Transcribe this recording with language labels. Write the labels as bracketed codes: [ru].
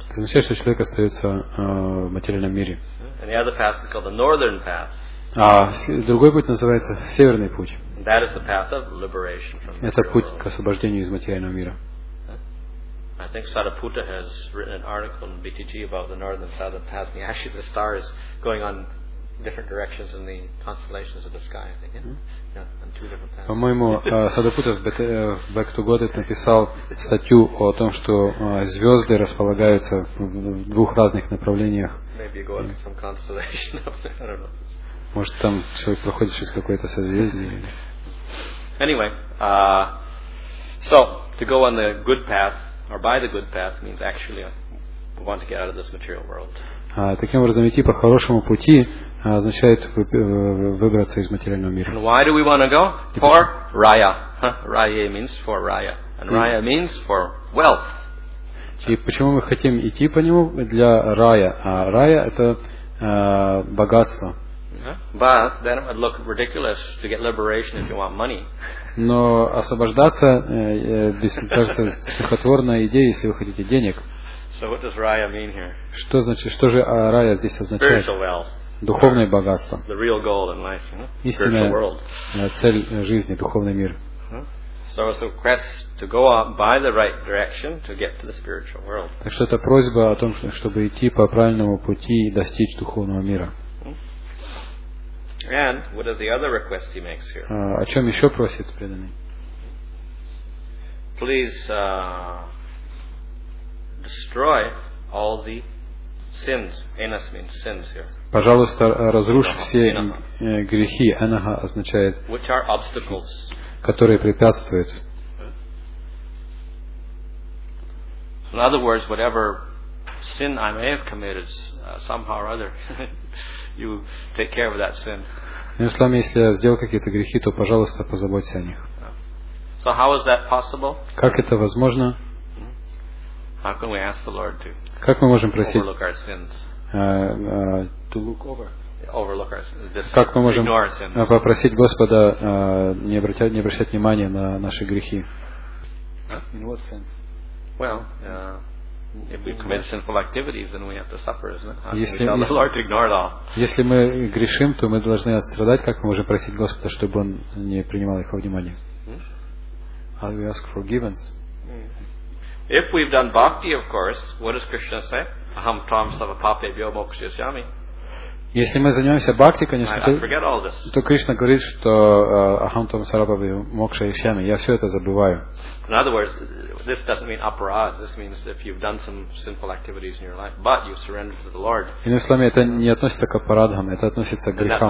[ru] Это означает, что человек остается в материальном мире. [en] And the other path is called the northern path. [ru] А другой путь называется северный путь. [en] That is the path of liberation from material world. [ru] Это путь к освобождению из материального мира. [en] I think Sariputta has written an article in BTG about the northern and southern path. And actually, the star is going on different directions in the constellations of the sky. I think, on two different paths. [ru] По-моему, Sariputta в Back to God написал статью о том, что звезды располагаются в двух разных направлениях. [en] Maybe you go into some constellation. I don't know. [ru] Может, там человек проходит через какое-то созвездие. [en] Anyway, so to go on the good path or by the good path means actually we want to get out of this material world. [ru] Таким образом, идти по хорошему пути означает выбраться из материального мира. [en] And why do we want to go? For raya. Raya means for raya, and raya means for wealth. [ru] И почему мы хотим идти по нему для рая? А рая это богатство. [en] But then it would look ridiculous to get liberation if you want money. [ru] Но освобождаться, кажется, смехотворная идея, если вы хотите денег. [en] So what does raya mean here? [ru] Что значит, что же рая здесь означает? [en] Spiritual wealth. [ru] Духовное богатство. [en] The real goal in life. [ru] Истинная цель жизни, духовный мир. [en] So it's a request to go out by the right direction to get to the spiritual world. [ru] Так что это просьба о том, чтобы идти по правильному пути и достичь духовного мира. [en] And what is the other request he makes here? [ru] О чем еще просит преданный? [en] Please destroy all the sins. Enas means sins here. [ru] Пожалуйста, разруши все грехи. Enaha означает. [en] Which are obstacles? [ru] Которые препятствуют. [en] In other words, whatever sin I may have committed, somehow or other, you take care of that sin. [ru] Если я сделал какие-то грехи, то, пожалуйста, позаботься о них. [en] So how is that possible? [ru] Как это возможно? [en] How can we ask the Lord to [ru] как мы можем просить? [en] Overlook our sins. To look over. Overlook our sins. [ru] Как мы можем попросить Господа не обращать внимания на наши грехи? [en] In what sense? Well, If we commit sinful activities, then we have to suffer, isn't it? Tell the Lord to ignore it all. [ru] Если мы грешим, то мы должны отстрадать, как мы можем просить Господа, чтобы Он не принимал их во внимание. [en] How we ask forgiveness. If we've done bhakti, of course, what does Krishna say? [sa] Aham tvam sarva papi bhyo mokshayami. [ru] Если мы занимаемся бхакти, конечно, то Кришна говорит, что [sa] «Ахам том сарапабе мокша ишьями». [ru] Я все это забываю. [en] In other words, this doesn't mean aparad. This means if you've done some sinful activities in your life, but you surrender to the Lord. [ru] Иными словами, это не относится к апарадхам, это относится к грехам.